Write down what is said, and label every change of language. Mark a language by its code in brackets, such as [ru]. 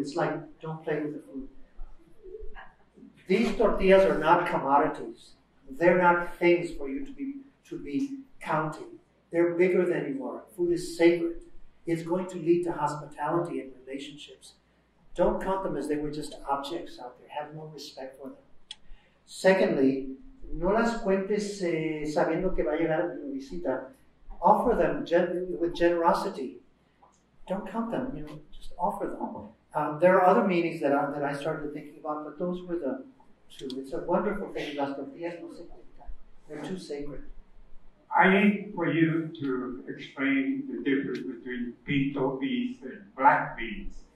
[en] It's like, don't play with the food. These tortillas are not commodities. They're not things for you to be counting. They're bigger than you are. Food is sacred. It's going to lead to hospitality and relationships. Don't count them as they were just objects out there. Have no respect for them. Secondly, [es] no las cuentes sabiendo que va a llegar una visita. [en] Offer them with generosity. Don't count them, you know, just offer them. There are other meanings that I started thinking about, but those were the two. It's a wonderful thing, [es] las tortillas no se cuentan. [en] They're too sacred. I need for you to explain the difference between pinto beans and black beans.